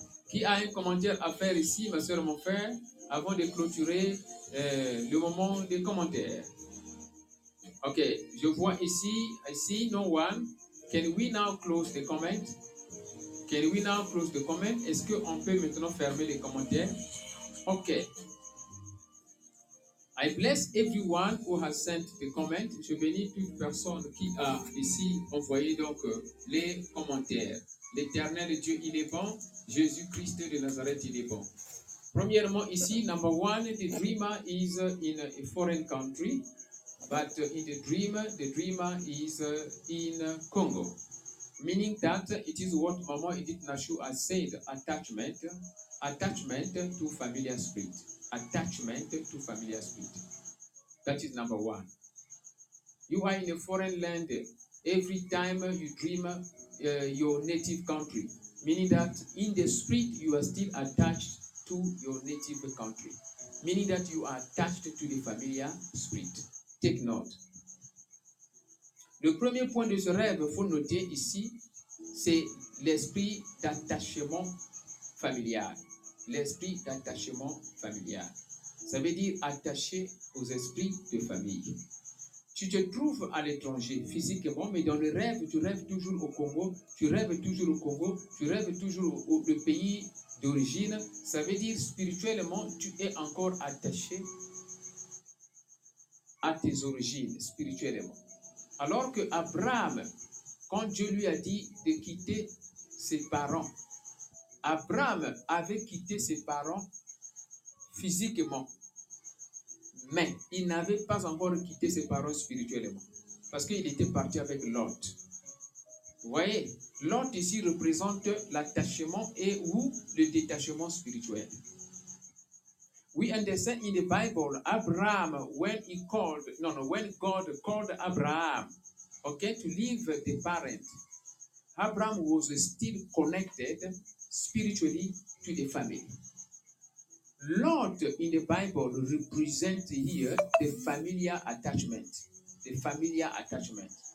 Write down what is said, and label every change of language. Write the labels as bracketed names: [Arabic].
[French] Qui a un commentaire à faire ici, ma soeur, mon frère, avant de clôturer le moment des commentaires? [English] Ok, [French] je vois ici, [English] I see no one. Can we now close the comment? Can we now close the comment? [French] Est-ce qu'on peut maintenant fermer les commentaires? Ok. [English] I bless everyone who has sent the comment. [French] Je bénis toute personne qui a ici envoyé donc les commentaires. L'Éternel Dieu, il est bon. Jésus-Christ de Nazareth, il est bon. Premièrement ici, [English] number one, the dreamer is in a foreign country. But in the dreamer is in Congo. Meaning that it is what Mama Edith Nachou has said, attachment to familiar spirit. Attachment to familiar spirit. That is number one. You are in a foreign land. Every time you dream your native country, meaning that in the spirit, you are still attached to your native country. Meaning that you are attached to the familiar spirit. Take note. [French] Le premier point de ce rêve, faut noter ici, c'est l'esprit d'attachement familial. L'esprit d'attachement familial. Ça veut dire attaché aux esprits de famille. Tu te trouves à l'étranger physiquement, mais dans le rêve, tu rêves toujours au Congo. Tu rêves toujours au Congo. Tu rêves toujours au pays d'origine. Ça veut dire spirituellement, tu es encore attaché à tes origines spirituellement. Alors que Abraham, quand Dieu lui a dit de quitter ses parents, Abraham avait quitté ses parents physiquement, mais il n'avait pas encore quitté ses parents spirituellement, parce qu'il était parti avec Lot. Vous voyez, Lot ici représente l'attachement et ou le détachement spirituel. [English] We understand in the Bible, Abraham, when God called Abraham, okay, to leave the parents, Abraham was still connected spiritually to the family. Lot in the Bible represents here the familiar attachment, the familiar attachment.